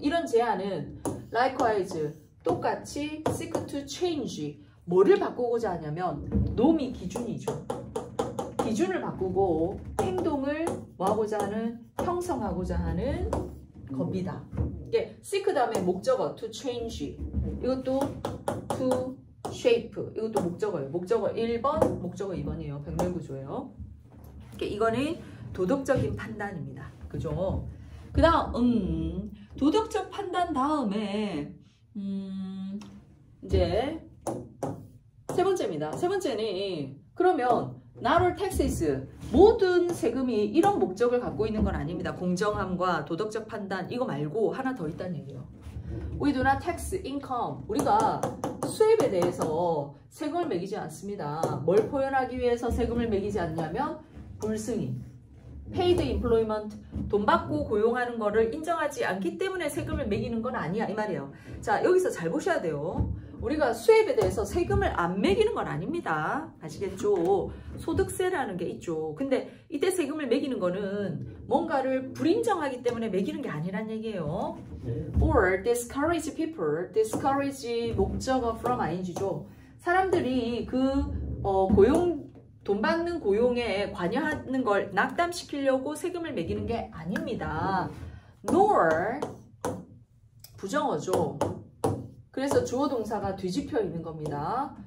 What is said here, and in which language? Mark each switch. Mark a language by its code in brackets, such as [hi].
[ko] 이런 제안은 likewise 똑같이 [en] seek to change [ko] 뭐를 바꾸고자 하냐면 놈이 기준이죠. 기준을 바꾸고 행동을 뭐 하고자 하는 형성하고자 하는 겁니다. 이게 seek 다음에 목적어 to change. 이것도 to shape. 이것도 목적어예요. 목적어 1번, 목적어 2번이에요. 백멸구조예요. 이거는 도덕적인 판단입니다. 그죠? 그 다음, 도덕적 판단 다음에, 이제 세 번째입니다. 세 번째는, 그러면, [en] not all taxes. [ko] 모든 세금이 이런 목적을 갖고 있는 건 아닙니다. 공정함과 도덕적 판단, 이거 말고 하나 더 있다는 얘기예요. [en] We do not tax income. [ko] 우리가 수입에 대해서 세금을 매기지 않습니다. 뭘 표현하기 위해서 세금을 매기지 않냐면, 불승인. [en] Paid employment. [ko] 돈 받고 고용하는 거를 인정하지 않기 때문에 세금을 매기는 건 아니야. 이 말이에요. 자, 여기서 잘 보셔야 돼요. 우리가 수입에 대해서 세금을 안 매기는 건 아닙니다. 아시겠죠? 소득세라는 게 있죠. 근데 이때 세금을 매기는 거는 뭔가를 불인정하기 때문에 매기는 게 아니란 얘기예요. [en] Or discourage people. [ko] Discourage 목적어 from ing죠. 사람들이 그 고용, 돈 받는 고용에 관여하는 걸 낙담시키려고 세금을 매기는 게 아닙니다. Nor 부정어죠. 그래서 주어 동사가 뒤집혀 있는 겁니다.